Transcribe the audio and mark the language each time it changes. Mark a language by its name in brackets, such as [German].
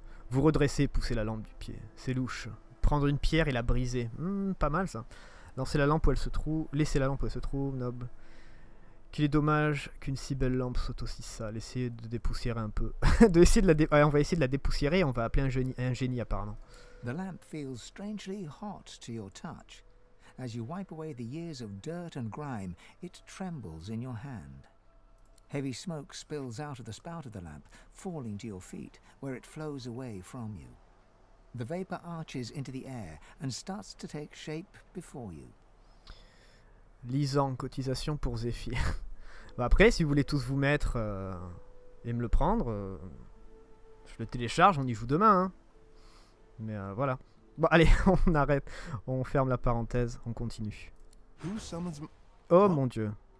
[French] Vous redressez, poussez la lampe du pied. C'est louche. Prendre une pierre et la briser. Pas mal ça. Lancez la lampe où elle se trouve, laissez la lampe où elle se trouve, noble. Qu'il est dommage qu'une si belle lampe soit aussi sale. Essayez de dépoussiérer un peu. Ouais, on va essayer de la dépoussiérer et on va appeler un génie apparemment. [English] The lamp feels strangely hot to your touch. As you wipe away the years of dirt and grime, it trembles in your hand. Heavy smoke spills out of the spout of the lamp, falling to your feet, where it flows away from you. The vapor arches into the air and starts to take shape before you. [French] Lisant, cotisation pour Zephyr. Bah après, si vous voulez tous vous mettre et me le prendre, je le télécharge, on y joue demain. Hein. Mais voilà. Bon, allez, on arrête. On ferme la parenthèse, on continue. Oh mon dieu.